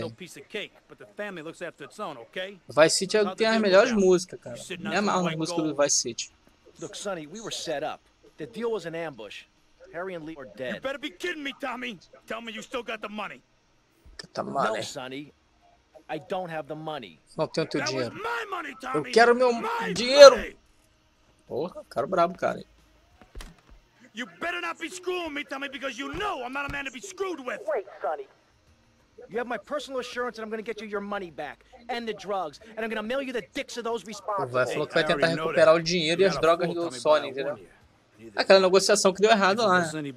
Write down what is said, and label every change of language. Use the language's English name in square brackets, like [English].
[English] No piece of cake, but the family looks after its own, okay? [Portuguese] Vice City é o que tem as melhores músicas, cara. Me amarro nas músicas do Vice City. [English] Look, Sonny, we were set up. The deal was an ambush. Harry and Lee are dead. You better be kidding me, Tommy. Tell me you still got the money. Get the money. No, Sonny. I don't have the money. [Portuguese] Não tenho teu dinheiro. [English] That was my money, Tommy. [Portuguese] Eu quero meu [English] my [Portuguese] dinheiro. [English] Money. [Portuguese] Porra, cara brabo, cara. [English] You better not be screwing me, Tommy, because you know I'm not a man to be screwed with. Wait, Sonny. You have my personal assurance that I'm going to get you your money back and the drugs, and I'm going to mail you the dicks of those responsible. [Portuguese] O Vé falou que vai tentar recuperar o dinheiro e as drogas do Sonny, entendeu? Aquela negociação que deu errado lá.